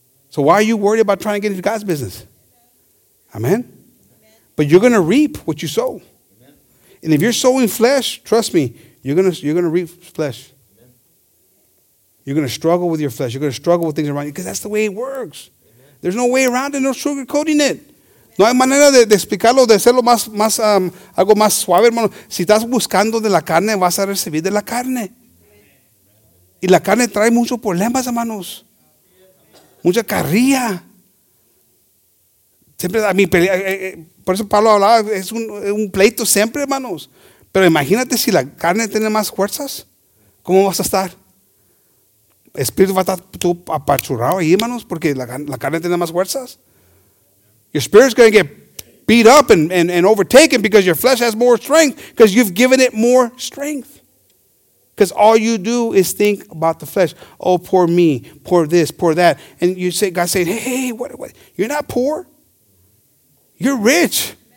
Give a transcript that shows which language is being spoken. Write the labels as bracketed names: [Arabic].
[English] So why are you worried about trying to get into God's business? Amen? But you're going to reap what you sow. Amen. And if you're sowing flesh, trust me, you're going to reap flesh. Amen. You're going to struggle with your flesh. You're going to struggle with things around you, because that's the way it works. Amen. There's no way around it, no sugarcoating it. Amen. [Spanish] No hay manera de explicarlo, de hacerlo más algo más suave, hermano. Si estás buscando de la carne, vas a recibir de la carne. Amen. Y la carne trae muchos problemas, hermanos. Mucha carrilla. Siempre a mi pelea. Por eso Pablo hablaba, es un pleito siempre, hermanos. Pero imagínate si la carne tiene más fuerzas. ¿Cómo vas a estar? El espíritu va a estar todo apachurrado ahí, hermanos, porque la carne tiene más fuerzas. [English] Your spirit's going to get beat up and overtaken because your flesh has more strength, because you've given it more strength. Because all you do is think about the flesh. Oh, poor me, poor this, poor that. And you say, God saying, hey, what? You're not poor. You're rich.